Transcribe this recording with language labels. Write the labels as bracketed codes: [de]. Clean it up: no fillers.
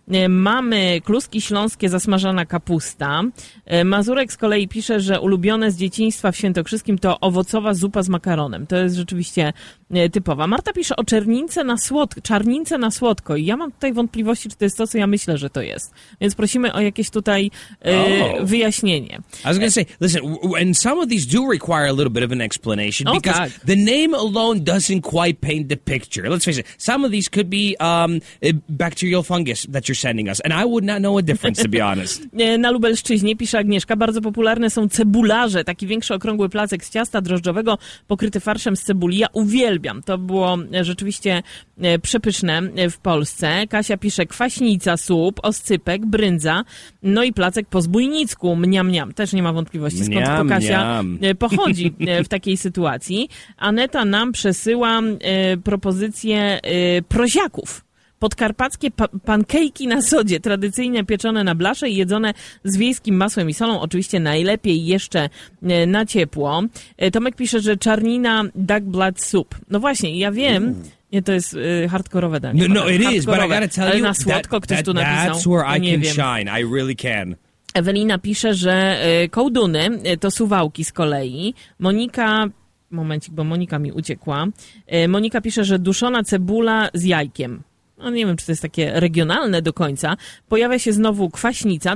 [pl] Mamy kluski śląskie, zasmażona kapusta. Mazurek z kolei pisze, że ulubione z dzieciństwa w Świętokrzyskim to owocowa zupa z makaronem. To jest rzeczywiście typowa. Marta pisze o czarnice na słodko. I ja mam tutaj wątpliwości, czy to jest to, co ja myślę, że to jest. Więc prosimy o jakieś tutaj wyjaśnienie. [en] I was gonna say, listen, and some of these do require a little bit of an explanation, because [pl] tak. [en] The name alone doesn't quite paint the picture. Let's face it, some of these could be bacterial fungus that you're sending us, and I would not know a difference, to be honest. [pl] Na Lubelszczyźnie, pisze Agnieszka, bardzo popularne są cebularze, taki większy okrągły placek z ciasta drożdżowego, pokryty farszem z cebuli. Ja uwielbiam. To było rzeczywiście przepyszne w Polsce. Kasia pisze, kwaśnica, sup, oscypek, brędza, no i placek po zbójnicku. Mniam, mniam. Też nie ma wątpliwości, skąd to Kasia pochodzi w takiej sytuacji. Aneta nam przesyła propozycję proziaków. Podkarpackie pankejki na sodzie, tradycyjnie pieczone na blasze i jedzone z wiejskim masłem i solą, oczywiście najlepiej jeszcze na ciepło. Tomek pisze, że czarnina [en] duck blood soup. [pl] No właśnie, ja wiem, nie, to jest hardkorowe danie. [en] No, it is, but I gotta tell you, [pl] na słodko ktoś tu napisał. [en] That's where I can shine, I really can. [pl] Ewelina pisze, że kołduny to suwałki z kolei. Monika... Momencik, bo Monika mi uciekła. Monika pisze, że duszona cebula z jajkiem. No nie wiem, czy to jest takie regionalne do końca. Pojawia się znowu kwaśnica.